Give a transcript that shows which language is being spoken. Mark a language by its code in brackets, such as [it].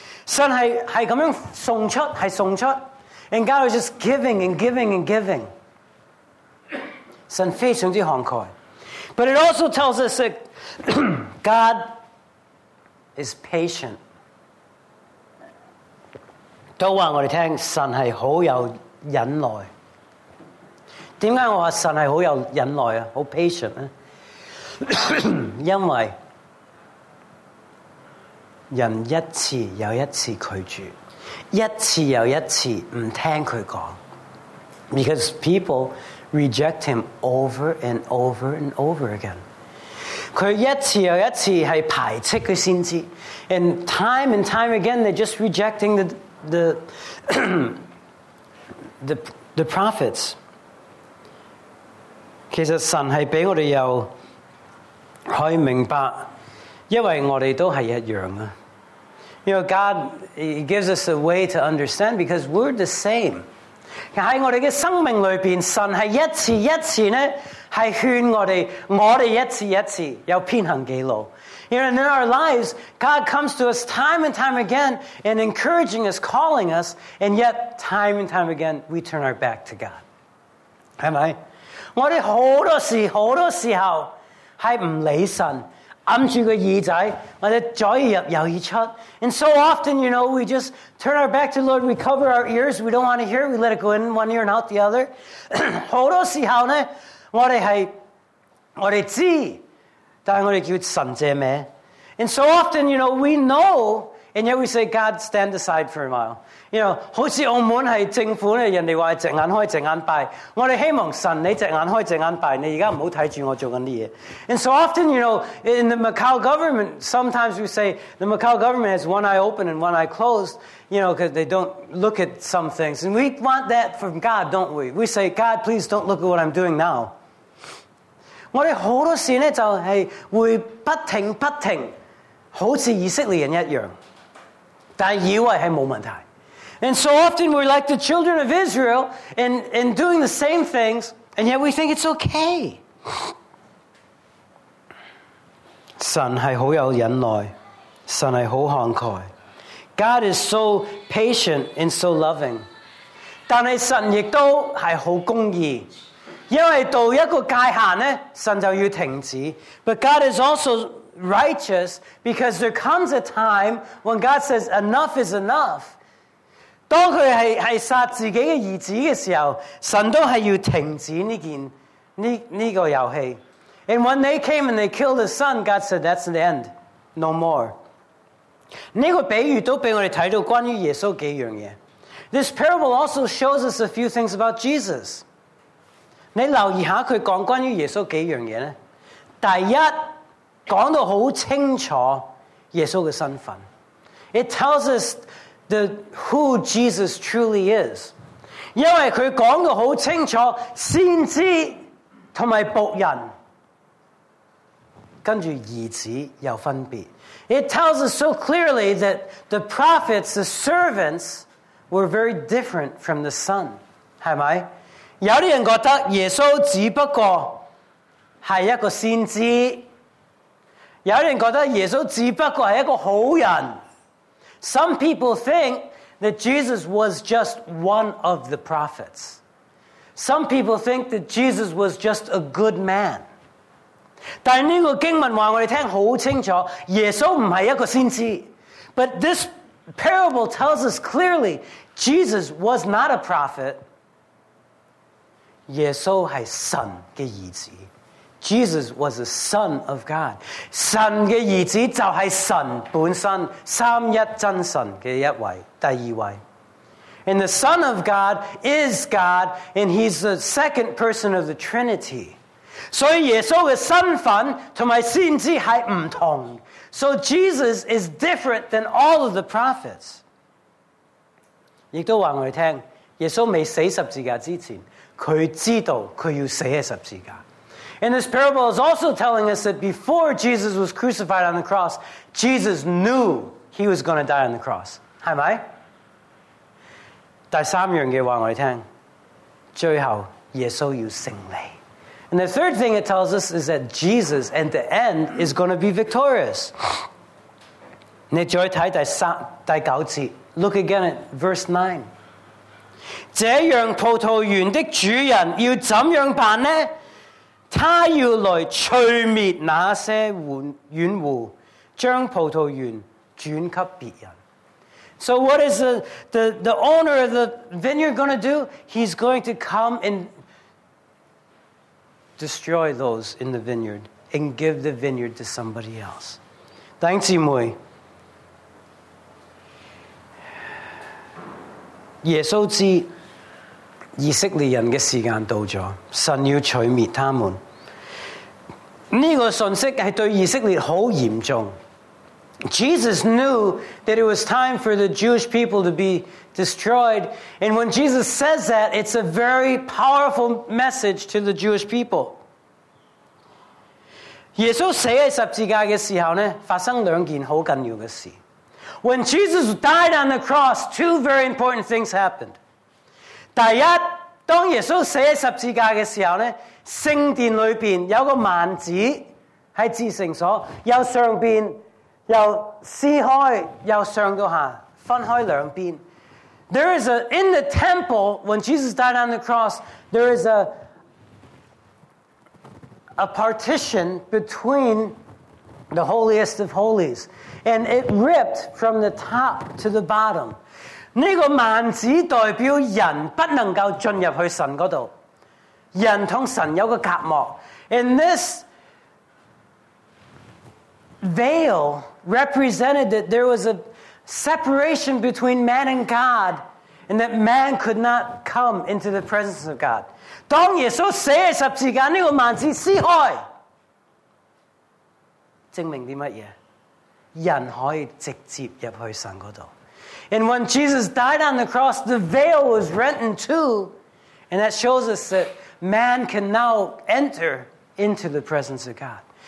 [zh] 神是这样送出，是送出。 [en] And God was just giving and giving and giving. [zh] 神非常之慷慨。 [en] But it also tells us that God is patient. [zh] 都告诉我们神是很有忍耐。为什么我说神是很有忍耐，很 patient 呢？因为人一次又一次拒绝，一次又一次不听他说。 [en] Because people reject him over and over and over again. [zh] 他一次又一次是排斥他先知。 [en] And time again they're just rejecting the prophets. [zh] 其实神是给我们有可以明白，因为我们都是一样的。 [en] You know, God gives us a way to understand because we're the same. [zh] 在我们的生命里面，神是一次一次呢，是劝我们，我们一次一次有偏行己路。 [en] You know, and in our lives, God comes to us time and time again and encouraging us, calling us, and yet time and time again, we turn our back to God. [zh] 是吗？我们很多时候，很多时候是不理神。按住个耳仔，或者左耳入右耳出。 [en] And so often, you know, we just turn our back to the Lord, we cover our ears, we don't want to hear, we let it go in one ear and out the other. [zh] 好多时候呢，我们知，但我们叫神借咩。 [en] And so often, you know, we know, and yet we say, God, stand aside for a while. You know, [zh] 好似澳门是政府呢，人家说只眼开只眼闭，我们希望神你只眼开只眼闭，你现在不要看着我做的事。 [en] And so often, you know, in the Macau government, sometimes we say, the Macau government has one eye open and one eye closed, you know, because they don't look at some things. And we want that from God, don't we? We say, God, please don't look at what I'm doing now. [zh] 我们很多事呢，就是会不停不停，好像以色列人一样，但以为是没问题。 [en] And so often we're like the children of Israel in doing the same things, and yet we think it's okay. [zh] 神是很有忍耐，神是很慷慨。 [en] God is so patient and so loving. [zh] 但是神也都是很公义，因为到一个界限呢，神就要停止。 [en] But God is also righteous because there comes a time when God says enough is enough. [zh] 当他 是杀自己的儿子的时候，神都是要停止这个游戏。 [en] And when they came and they killed his son, God said, that's the end. No more. [zh] 这个比喻都给我们看到关于耶稣几样东西。 [en] This parable also shows us a few things about Jesus. [zh] 你留意一下他讲关于耶稣几样东西呢？第一，讲到很清楚耶稣的身份。 [en] It tells us the who Jesus truly is. [zh] 因为他讲得很清楚，先知和仆人，跟着儿子有分别。 [en] It tells us so clearly that the prophets, the servants, were very different from the son. [zh] 是吗？有些人觉得耶稣只不过是一个先知，有些人觉得耶稣只不过是一个好人。 [en] Some people think that Jesus was just one of the prophets. Some people think that Jesus was just a good man. [zh] 但这个经文告诉我们听很清楚，耶稣不是一个先知。 [en] But this parable tells us clearly, Jesus was not a prophet. [zh] 耶稣是神的儿子。 [en] Jesus was the Son of God. [zh] 神的儿子就是神本身，三一真神的一位，第二位。 [en] And the Son of God is God, and he's the second person of the Trinity. [zh] 所以耶稣的身份和先知是不同。 [en] So Jesus is different than all of the prophets. [zh] 也都告诉我们，耶稣没死十字架之前，他知道他要死在十字架。 [en] And this parable is also telling us that before Jesus was crucified on the cross, Jesus knew he was going to die on the cross. [zh] 是吗？第三样嘅话我哋听，最后耶稣要胜利。 [en] And the third thing it tells us is that Jesus, at the end, is going to be victorious. [zh] 你再睇第九節 ， [en] look again at verse 9。 [zh] 這樣葡萄園的主人要怎樣辦呢？他要來除滅那些園戶，將葡萄園轉給別人。 [en] So what is the owner of the vineyard going to do? He's going to come and destroy those in the vineyard and give the vineyard to somebody else. [zh] 弟兄姊妹，耶稣知以色列人的时间到了，神要除灭他们。这个信息是对以色列很严重。 [en] Jesus knew that it was time for the Jewish people to be destroyed. And when Jesus says that, it's a very powerful message to the Jewish people. [zh] 耶稣死在十字架的时候呢，发生两件很重要的事。 [en] When Jesus died on the cross, two very important things happened. [zh] 第一，当耶稣死在十字架的时候呢，圣殿里面有个幔子在至圣所，有上边又撕开，又上到下，分开两边。 [en] There is a in the temple when Jesus died on the cross. There is a partition between the holiest of holies, and it ripped from the top to the bottom. [zh] 那个幔子代表人不能够进入去神嗰度，人同神有个隔膜。 [en] In this veil. Represented that there was a separation between man and God, and that man could not come into the presence of God. [zh] 当耶稣死在十字架呢个幔子撕开，证明啲乜嘢？人可以直接入去神嗰度。 [en] And when Jesus died on the cross, the veil was rent in two, and that shows us that man can now enter into the presence of God.